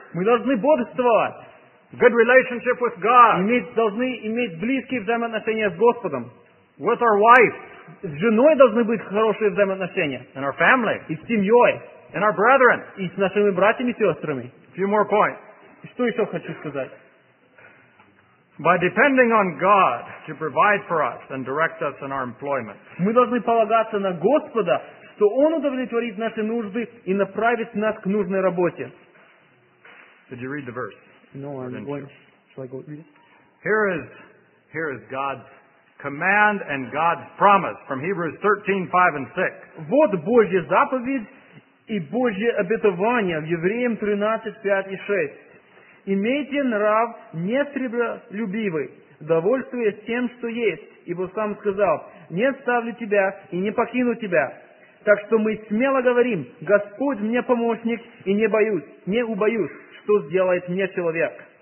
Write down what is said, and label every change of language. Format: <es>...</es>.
<ru>Мы должны бодрствовать.</ru> <en>Good relationship with God.</en> <ru>Должны иметь близкие взаимоотношения с Господом.</ru> <en>With our wife.</en> <ru>С женой должны быть хорошие взаимоотношения.</ru> <en>And our family.</en> <ru>И с семьей.</ru> <en>And our brethren.</en> <ru>И с нашими братьями и сестрами.</ru> <en>A few more points.</en> <ru>Что еще хочу сказать?</ru> <en>By depending on God to provide for us and direct us in our employment.</en> <ru>Мы должны полагаться на Господа, что Он удовлетворит наши нужды и направит нас к нужной работе.</ru> <en>Did you read the verse? No, I'm going. Shall I go read it? Here is God's command and God's promise from Hebrews 13:5-6.</en> <ru>Вот Божья заповедь и Божье обетование в Евреям 13:5-6. Имейте нрав не сребролюбивый, довольствуясь тем, что есть, ибо сам сказал: не оставлю тебя и не покину тебя. Так что мы смело говорим: Господь мне помощник, и не убоюсь, что сделает мне человек.</ru>